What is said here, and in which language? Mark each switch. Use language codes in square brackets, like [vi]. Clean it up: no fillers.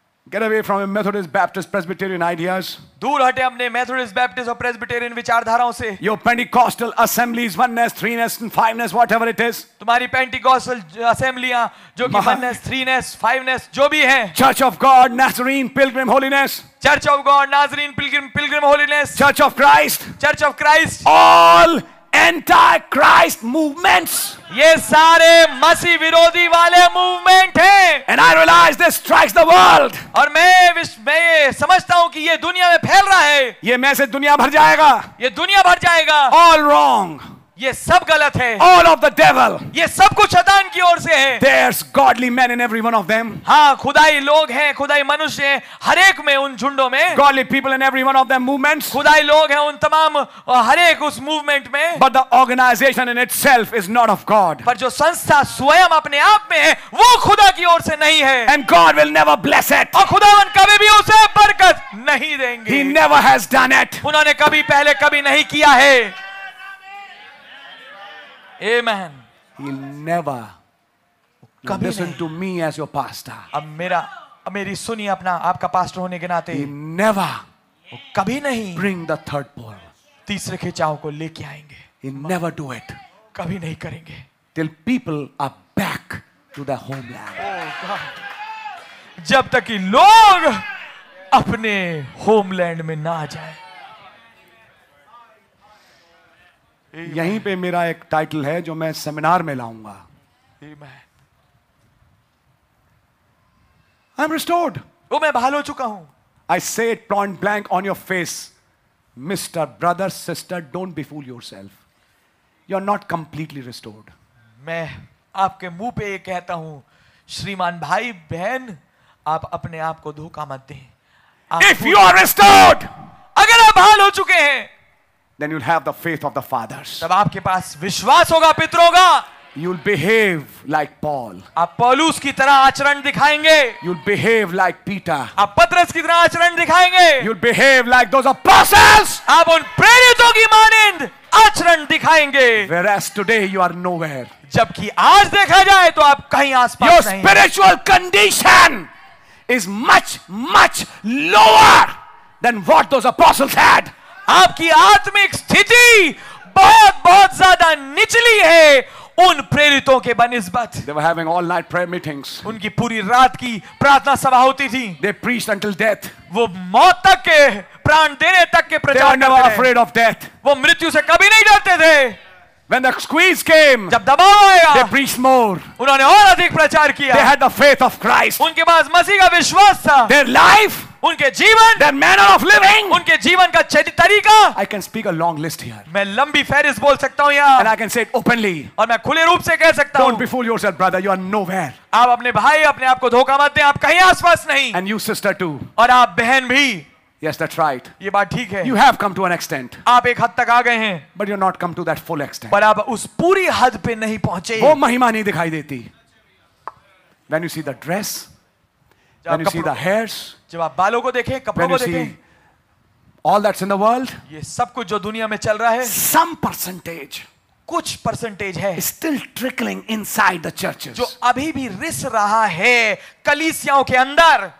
[en] Get away from your Methodist, Baptist, Presbyterian ideas. [hi] दूर हटे अपने Methodist, Baptist और Presbyterian विचारधाराओं से. [en] Your Pentecostal assemblies, oneness, threeness, and fiveness, whatever it is. [hi] तुम्हारी Pentecostal assemblyयाँ जो कि oneness, threeness, fiveness जो भी हैं. [en] Church of God, Nazarene, Pilgrim, Holiness. Church of God, Nazarene, Pilgrim, Holiness. Church of Christ. Church of Christ. All anti-Christ movements. [hi] ये सारे मसीह विरोधी वाले मूवमेंट हैं। [en] And I realize this strikes the world. [hi] और मैं ये समझता हूँ कि ये दुनिया में फैल रहा है। ये मैसेज दुनिया भर जाएगा। ये दुनिया भर जाएगा। [en] All wrong. [hi] ये सब गलत है। [en] All of the devil. [hi] ये सब कुछ शैतान की ओर से है। [en] There's godly men in every one of them. [hi] हाँ, खुदाई लोग हैं, खुदाई मनुष्य हैं, हर एक में उन झुंडों में। [en] Godly people in every one of them movements. [hi] खुदाई लोग हैं उन तमाम हर एक उस मूवमेंट में। [en] But the organization in itself is not of God. [hi] पर जो संस्था स्वयं अपने आप में है, वो खुदा की ओर से नहीं है। [en] And God will never bless it. [hi] और खुदावन कभी भी उसे बरकत नहीं देंगे। [en] He never has done it. [hi] उन्होंने कभी पहले कभी नहीं किया है। [en] Amen. He'll never [hi] कभी [en] listen to me as your pastor. [hi] अब मेरा, अब मेरी सुनिए अपना, आपका पास्टर होने के नाते. [en] He'll never [hi] कभी नहीं [en] bring the third ball. [hi] तीसरे खिंचाव को लेके आएंगे. [en] He'll never do it. [hi] कभी नहीं करेंगे. [en] Till people are back to their homeland. Oh God. [hi] जब तक कि लोग अपने होमलैंड में ना जाए. यहीं पे मेरा एक टाइटल है जो मैं सेमिनार में लाऊंगा. [en] I'm restored. [hi] वो मैं बहाल हो चुका हूं. [en] I say it point blank on your face, Mr. Brother, Sister, don't befool yourself. You're not completely restored. [hi] मैं आपके मुंह पे ये कहता हूं, श्रीमान भाई बहन, आप अपने आप को धोखा मत दें. [en] If you are restored, [hi] अगर आप बहाल हो चुके हैं, [en] then you'll have the faith of the fathers. [hi] तब आपके पास विश्वास होगा पितरों का. [en] You'll behave like Paul. [hi] आप पौलुस की तरह आचरण दिखाएंगे. [en] You'll behave like Peter. [hi] आप पत्रस की तरह आचरण दिखाएंगे. [en] You'll behave like those apostles. [hi] आप उन प्रेरितों की मानिंद आचरण दिखाएंगे. [en] Whereas today you are nowhere. [hi] जबकि आज देखा जाए तो आप कहीं आसपास नहीं. [en] Your spiritual condition is much much lower than what those apostles had. [hi] आपकी आत्मिक स्थिति बहुत बहुत ज्यादा निचली है उन प्रेरितों के बनिस्बत. [en] They were having all night prayer meetings. [hi] उनकी पूरी रात की प्रार्थना सभा होती थी. [en] They preached until death. [hi] वो मौत तक के, प्राण देने तक के प्रचार करते [en] They were never afraid of death. [hi] वो मृत्यु से कभी नहीं डरते थे. [en] When the squeeze came, [hi] जब दबाव आया, [en] they preached more. [hi] उन्होंने और अधिक प्रचार किया. [en] They had the faith of Christ. [hi] उनके पास मसीह का विश्वास था. [en] Their life, [hi] उनके जीवन, [en] their manner of living, [hi] उनके जीवन का तरीका. [en] I can speak a long list here. [hi] मैं लंबी फहरिस्त बोल सकता हूँ यहाँ. [en] And I can say it openly. [hi] और मैं खुले रूप से कह सकता हूँ. [en] Don't befool yourself, brother. You are nowhere. [hi] आप अपने भाई, अपने आप को धोखा मत दें. आप कहीं आसपास नहीं. [en] And you, sister, too. [hi] और आप बहन भी. [en] Yes, that's right. [hi] ये बात ठीक है. [en] You have come to an extent. [hi] आप एक हद तक आ गए हैं. [en] But you're not come to that full extent. [hi] पर आप उस पूरी हद पे नहीं पहुंचे. वो महिमा नहीं दिखाई देती. [en] When you see the dress. When you see the hairs, [hi] जब आप बालों को देखें, कपड़ों को देखें, [en] all that's in the world, [hi] ये सब कुछ जो दुनिया में चल रहा है, [en] some percentage, [hi] कुछ percentage है, [en] still trickling inside the churches, [hi] जो अभी भी रिस रहा है कलीसियाओं के अंदर.